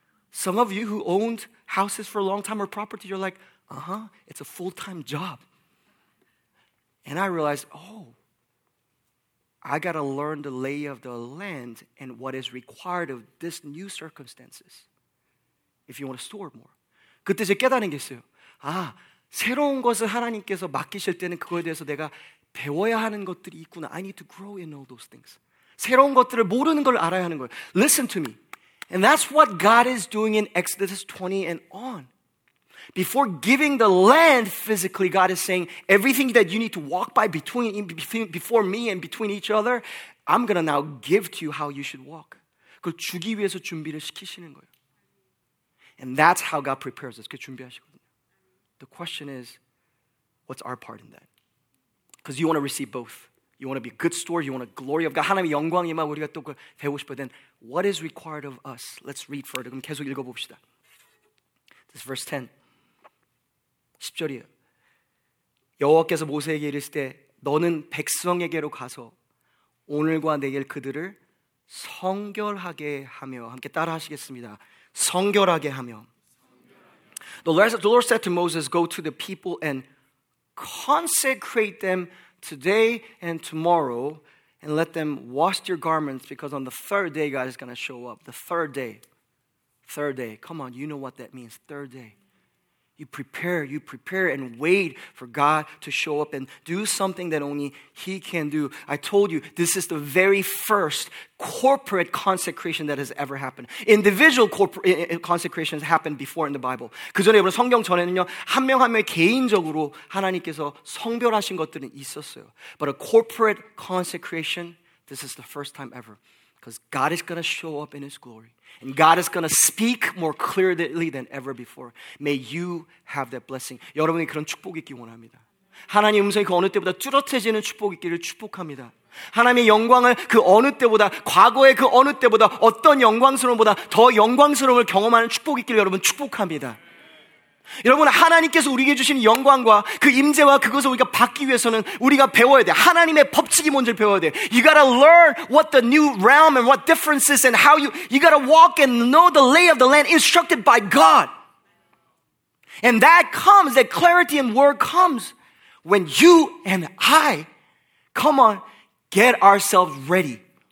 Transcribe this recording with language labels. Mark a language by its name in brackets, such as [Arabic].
[English] Some of you who owned houses for a long time or property, you're like, it's a full-time job. And I realized, I got to learn the lay of the land and what is required of this new circumstances. If you want to store more. [Korean] 그때 제가 깨달은 게 있어요. 새로운 것을 하나님께서 맡기실 때는 그거에 대해서 내가 배워야 하는 것들이 있구나. [English] I need to grow in all those things. [Korean] 새로운 것들을 모르는 걸 알아야 하는 거예요. [English] Listen to me. And that's what God is doing in Exodus 20 and on. Before giving the land physically, God is saying, everything that you need to walk by before me and between each other, I'm going to now give to you how you should walk. [Korean] 그걸 주기 위해서 준비를 시키시는 거예요. [English] And that's how God prepares us. [Korean] 그게 준비하시거든요. [English] The question is, what's our part in that? Because you want to receive both. You want to be a good steward. You want the glory of God. [Korean] 하나님의 영광이 막 우리가 또 배우고 싶어. [English] Then what is required of us? Let's read further. [Korean] 그럼 계속 읽어봅시다. [English] This is verse 10. [Korean] 10절이에요. 여호와께서 모세에게 이르시되 너는 백성에게로 가서 오늘과 내일 그들을 성결하게 하며 함께 따라하시겠습니다. 성결하게 하며 [English] The Lord said to Moses, go to the people and consecrate them today and tomorrow and let them wash their garments because on the third day God is going to show up. The third day. Third day. Come on, you know what that means. Third day. You prepare and wait for God to show up and do something that only He can do. I told you, this is the very first corporate consecration that has ever happened. Individual consecrations happened before in the Bible. [Korean] 그 전에 여러분 성경 전에는요, 한 명 한 명 개인적으로 하나님께서 성별하신 것들은 있었어요. [English] But a corporate consecration, this is the first time ever. Because God is going to show up in His glory. And God is going to speak more clearly than ever before. May you have that blessing. [Korean] 여러분이 그런 축복이 있기 원합니다. 하나님 음성이 그 어느 때보다 뚜렷해지는 축복이 있기를 축복합니다. 하나님의 영광을 그 어느 때보다, 과거의 그 어느 때보다, 어떤 영광스러움보다 더 영광스러움을 경험하는 축복이 있기를 여러분 축복합니다. 여러분, 하나님께서 우리에게 주신 영광과 그 임재와 그것을 우리가 받기 위해서는 우리가 배워야 돼. 하나님의 법칙이 뭔지를 배워야 돼. [English] You gotta learn what the new realm and what differences and how you gotta walk and know the lay of the land instructed by God. And that comes, that clarity and word comes when you and I, come on, get ourselves ready.